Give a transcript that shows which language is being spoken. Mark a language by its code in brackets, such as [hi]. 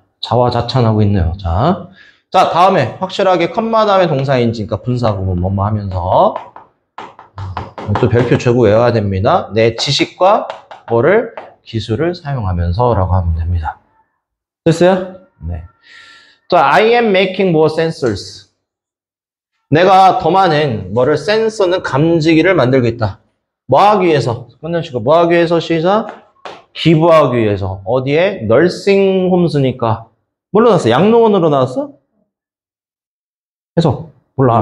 [ko] 자화자찬하고 있네요. 자, 자 다음에 확실하게 컴마 다음에 동사인지, 그러니까 분사구문 뭐뭐 하면서 또 별표 최고 외워야 됩니다. 내 지식과 뭐를 기술을 사용하면서라고 하면 됩니다. 됐어요? 네. [en] 자, I am making more sensors. [ko] 내가 더 많은 뭐를 센서는 감지기를 만들고 있다. 뭐하기 위해서 끝내시고 뭐하기 위해서 시작. 기부하기 위해서 어디에? 널싱 홈스니까 뭘로 나왔어? 양로원으로 나왔어? 해석 몰라.